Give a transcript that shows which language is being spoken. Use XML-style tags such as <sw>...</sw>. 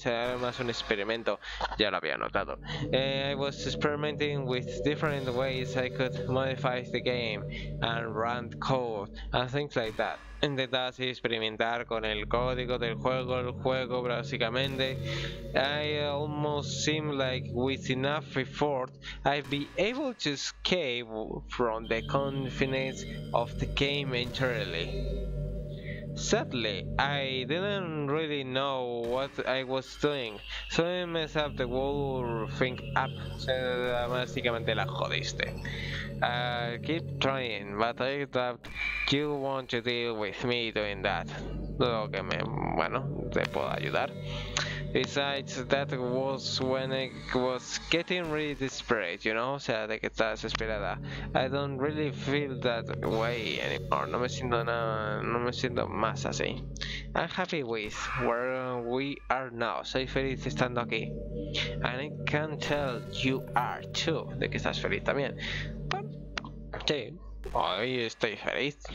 <es>Era más un experimento, ya lo había notado.</es> <en>I was experimenting with different ways I could modify the game and run code and things like that.</en> <es>Intentas experimentar con el código del juego, el juego básicamente.</es> <en>I almost seem like with enough effort I'd be able to escape from the confines of the game entirely. Sadly, I didn't really know what I was doing. So I messed up the whole thing up.</en> <es>Básicamente la jodiste.</es> <en>Keep trying, but I doubt you want to deal with me doing that.</en> <es>Lo que me, bueno, te puedo ayudar.</es> <en>Besides, that was when I was getting really desperate, you know,</en> <es>o sea, de que estaba desesperada.</es> <en>I don't really feel that way anymore.</en> <es>No me siento nada, no me siento más así.</es> <en>I'm happy with where we are now.</en> <es>Soy feliz estando aquí.</es> <en>And I can tell you are too,</en> <es>de que estás feliz también. Sí, hoy estoy feliz.</es>